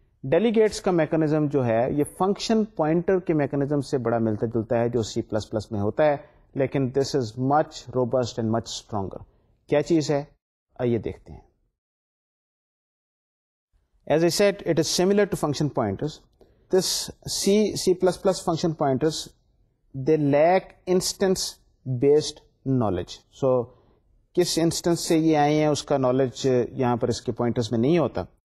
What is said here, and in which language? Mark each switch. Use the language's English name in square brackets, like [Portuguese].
[Urdu] Delegates کا mechanism جو ہے یہ فنکشن پوائنٹر کے میکانزم سے بڑا ملتا جلتا ہے جو سی پلس پلس میں ہوتا ہے, لیکن [English] This is much robust and much stronger. [Urdu] کیا چیز ہے آئیے دیکھتے ہیں. [English] As a set it is similar to function pointers. This C C plus plus function pointers they lack instance based knowledge. [Urdu] سو کس انسٹنس سے یہ آئے ہیں اس کا نالج یہاں پر اس کے پوائنٹرز میں نہیں ہوتا.